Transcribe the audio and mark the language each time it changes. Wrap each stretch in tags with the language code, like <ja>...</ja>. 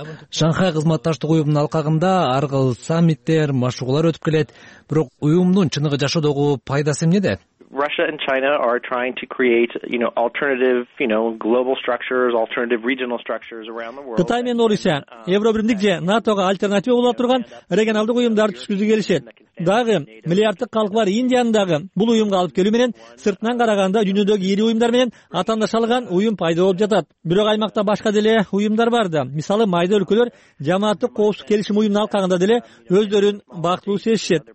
<ky>Шанхай кызматташтык уюмунун алкагында ар кыл саммиттер, машыгуулар өтүп келет. Бирок уюмдун чыныгы жашоодогу пайдасы эмнеде?</ky> <en>Russia and China are trying to create, you know, alternative, you know, global structures, alternative regional structures around the world.</en> <ky>Кытай менен Орусия Евробиримдик же НАТОга альтернатива боло турган регионалдык уюмдарды түзгүзүп келишет. Дагы миллиарддык калк бар Индиянын дагы бул уюмга алып келүү менен сыртынан караганда дүйнөдөгү ири уюмдар менен атаандаш алган уюм пайда болуп жатат. Бирок аймакта башка деле уюмдар бар да. Мисалы, майда өлкөлөр жамааттык коопсуздук келишими уюмунун алкагында деле өздөрүн бактылуу сезишет.</ky>